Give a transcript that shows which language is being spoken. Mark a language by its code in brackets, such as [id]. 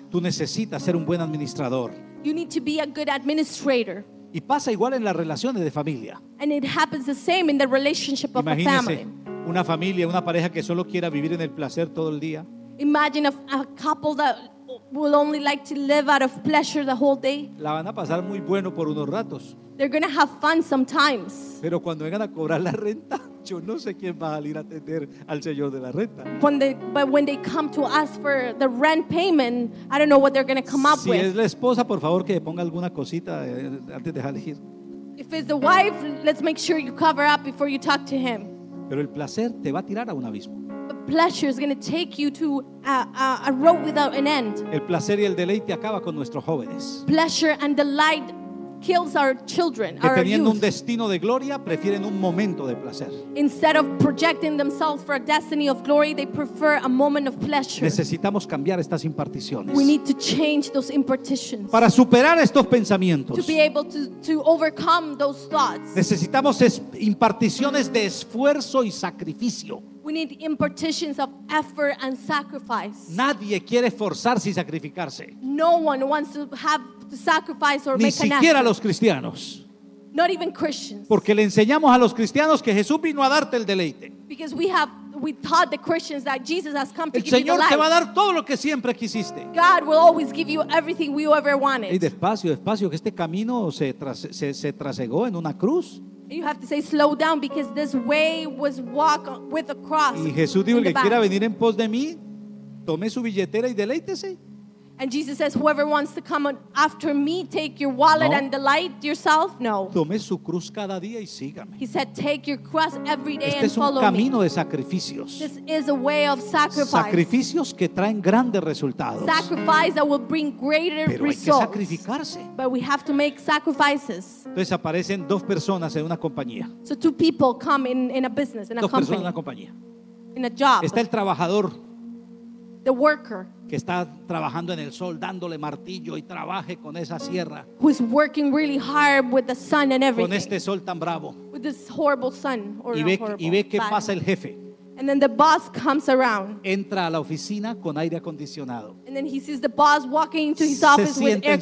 [es] Tú necesitas ser un buen administrador. [en] You need to be a good administrator. [es] Y pasa igual en las relaciones de familia. [en] And it happens the same in the relationship of a family. [es] Imagínese una familia, una pareja que solo quiera vivir en el placer todo el día. [en] Imagine a couple that will only like to live out of pleasure the whole day. [es] La van a pasar muy bueno por unos ratos. [en] They're going to have fun sometimes. [es] Pero cuando vengan a cobrar la renta, yo no sé quién va a salir a atender al señor de la renta. [en] When they come to ask for the rent payment, I don't know what they're going to come up with. [es] Si es la esposa, por favor, que ponga alguna cosita antes de salir. [en] If it's the wife, let's make sure you cover up before you talk to him. [es] Pero el placer te va a tirar a un abismo. [en] But pleasure is going to take you to a road without an end. [es] El placer y el deleite acaba con nuestros jóvenes. [en] Pleasure and delight kills our children, our youth. [es] Teniendo un destino de gloria, prefieren un momento de placer. [en] Instead of projecting themselves for a destiny of glory, they prefer a moment of pleasure. [es] Necesitamos cambiar estas imparticiones. [en] We need to change those impartitions. [es] Para superar estos pensamientos. [en] To be able to overcome those thoughts. [es] Necesitamos imparticiones de esfuerzo y sacrificio. [en] We need impartitions of effort and sacrifice. [es] Nadie quiere forzarse y sacrificarse. [en] No one wants to have to sacrifice or [es] ni [en] make an effort. [es] Ni siquiera los cristianos. [en] Not even Christians. [es] Porque le enseñamos a los cristianos que Jesús vino a darte el deleite. [en] Because we taught the Christians that Jesus has come to give you life. [es] El Señor te va a dar todo lo que siempre quisiste. [en] God will always give you everything we ever wanted. [es] Y despacio, que este camino se trasegó en una cruz. [en] You have to say slow down because this way was walk with a cross. [es] Y Jesús dijo, el que quiera venir en pos de mí, tome su billetera y deleítese. [en] And Jesus says, whoever wants to come after me, take your wallet [es] no. [en] And delight yourself. No. [es] Tome su cruz cada día y sígame. [en] He said, take your cross every day [es] este [en] and follow me. [es] Este es un camino de sacrificios. [en] This is a way of sacrifice. [es] Sacrificios que traen grandes resultados. [en] Sacrifice that will bring greater [es] pero [en] results. [es] Pero hay que sacrificarse. [en] But we have to make sacrifices. [es] Entonces aparecen dos personas en una compañía. [en] So two people come in a business, in [es] dos [en] a company. [es] Dos personas en una compañía. [en] In a job. [es] Está el trabajador. [en] The worker. [es] Que está trabajando en el sol, dándole martillo y trabaje con esa sierra. [en] Who is working really hard with the sun and everything. [es] Con este sol tan bravo. [en] With this horrible sun or [es] y ve qué pasa el jefe. [en] And then the boss comes around. [es] Entra a la oficina con aire acondicionado. [en] And then he sees the boss walking into his office with air conditioning.